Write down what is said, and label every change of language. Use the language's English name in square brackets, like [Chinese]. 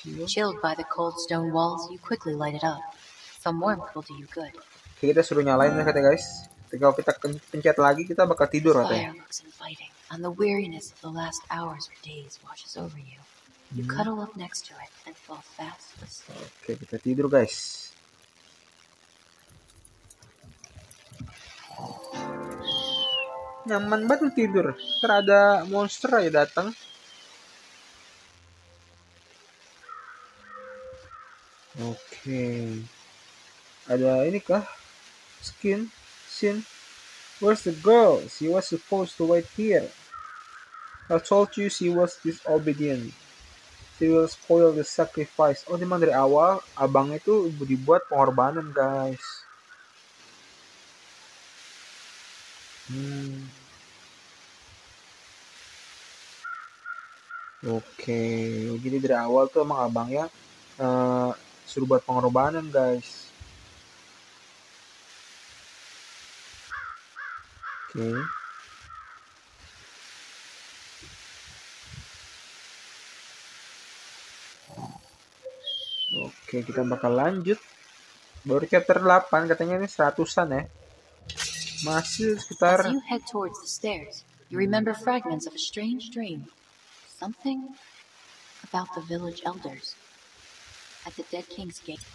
[English] Chilled by the cold stone walls, you quickly light it up. Some warmth will do you good. [Indonesian] Oke, kita suruh nyalain ya katanya guys. Ketika kita pencet lagi, kita bakal tidur katanya. [English] Fire looks inviting, and the weariness of the last hours or days washes over you. You cuddle up next to it and fall fast asleep. [Indonesian] Oke, kita tidur guys. Nyaman banget tidur. Ntar ada monster aja datang. Oke. Ada ini kah? Skin. Sin. [English] Where's the girl? She was supposed to wait here. I told you she was disobedient. She will spoil the sacrifice. [Indonesian] Oh, dimana dari awal abang itu dibuat pengorbanan guys. Oke, okay. Jadi dari awal tuh emang abang ya suruh buat pengorbanan guys. Oke. Okay. Oke, okay, kita bakal lanjut. Baru chapter 8, katanya ini 100-an ya. Masih sekitar. [English] As you head towards the stairs, you remember fragments of a strange dream. Something about the village elders at the dead king's gate.